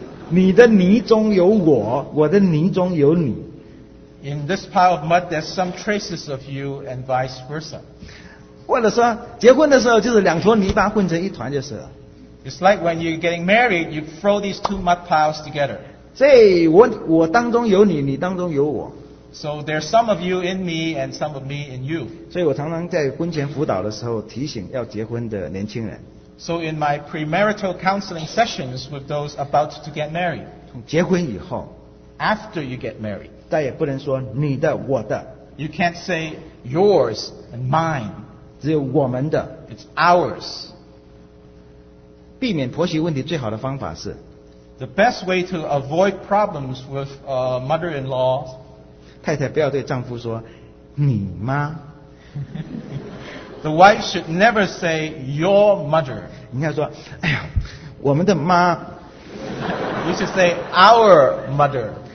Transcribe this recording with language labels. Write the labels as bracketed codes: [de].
[zh] 你的泥中有我，我的泥中有你。 [en] In this pile of mud, there's some traces of you and vice versa. [zh] 或者说，结婚的时候就是两坨泥巴混成一团就是了。 [en] It's like when you're getting married, you throw these two mud piles together. [zh] 所以我当中有你，你当中有我。 [en] So there's some of you in me and some of me in you. [zh] 所以我常常在婚前辅导的时候提醒要结婚的年轻人。 [en] So in my premarital counseling sessions with those about to get married. [zh] 从结婚以后。 [en] after you get married. [zh] 但也不能说你的我的。 [en] You can't say yours and mine. [zh] 只有我们的。 [en] It's ours. [zh] 避免婆媳问题最好的方法是, [en] the best way to avoid problems with mother-in-law. [zh] 太太不要对丈夫说, 你吗? [en] The wife should never say your mother. [zh] 你要说, 哎呀, 我们的妈。 [en] You should say our mother.